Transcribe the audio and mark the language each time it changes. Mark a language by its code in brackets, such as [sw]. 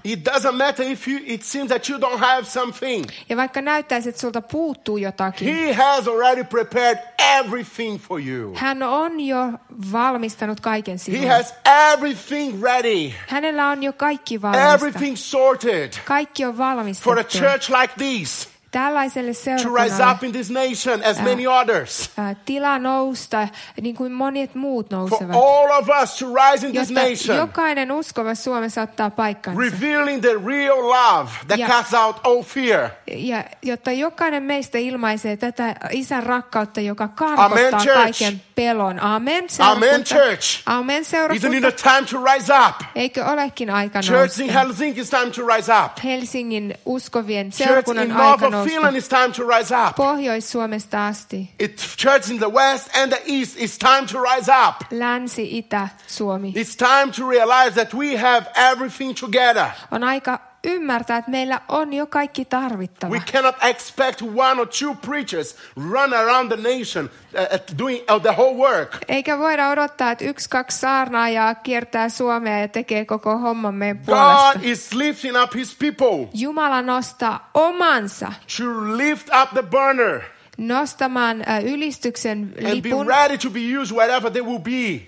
[en] It doesn't matter if you, it seems that you don't have something. [fi] Ja vaikka näyttäisi, että sulta puuttuu jotakin. [en] He has already prepared everything for you. [fi] Hän on jo valmistanut kaiken sinulle. [en] He has everything ready. [fi] Hänellä on jo kaikki valmista. [en] Everything sorted. [fi] Kaikki on valmistettu. [en] For a church like this. [fi] Tällaiselle seurakunnalle. [en] To rise up in this nation as many others. [fi] Tila nousta, niin kuin monet muut nousevat. [en] For all of us to rise in this nation. [fi] Jotta jokainen uskova Suomessa ottaa paikkansa. [en] Revealing the real love that casts out all fear. [fi] Ja jotta jokainen meistä ilmaisee tätä isän rakkautta, joka karkottaa Amen, kaiken pelon. Amen, seurakunta. [en] Amen, church. [fi] Amen, seurakunta. [en] Isn't it a time to rise up? [fi] Eikö olekin aika nousta? [en] Church in Helsinki is time to rise up. [fi] Helsingin uskovien seurakunnan aika nousta. [en] Finland is time to rise up. [fi] Pohjois-Suomesta asti. [en] It church in the west and the east is time to rise up. [fi] Länsi, itä, Suomi. [en] It's time to realize that we have everything together. [fi] On aika ymmärtää, että meillä on jo kaikki tarvittava. [en] We cannot expect one or two preachers run around the nation doing the whole work. [fi] Eikä voida odottaa, että 1-2 saarnaajaa kiertää Suomea ja tekee koko homman meidän puolesta. [en] God is lifting up his people. [fi] Jumala nostaa omansa. [en] To lift up the banner. [fi] Nostamaan ylistyksen lipun. [en] And be ready to be used wherever they will be.